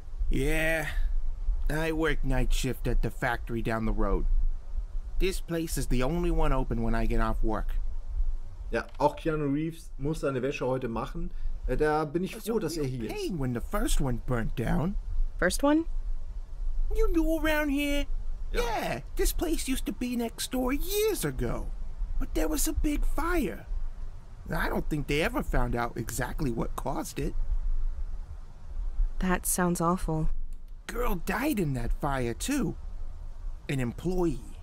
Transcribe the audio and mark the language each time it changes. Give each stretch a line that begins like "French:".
English: Yeah, I work night shift at the factory down the road. This place is the only one open when I get off work.
German: Ja, auch Keanu Reeves muss seine Wäsche heute machen. Da bin ich froh, dass er hier ist.
English: When the first one burnt down. First one? You knew around here? Yeah, this place used to be next door years ago. But there was a big fire. I don't think they ever found out exactly what caused it. That sounds awful. Girl died in that fire too. An employee.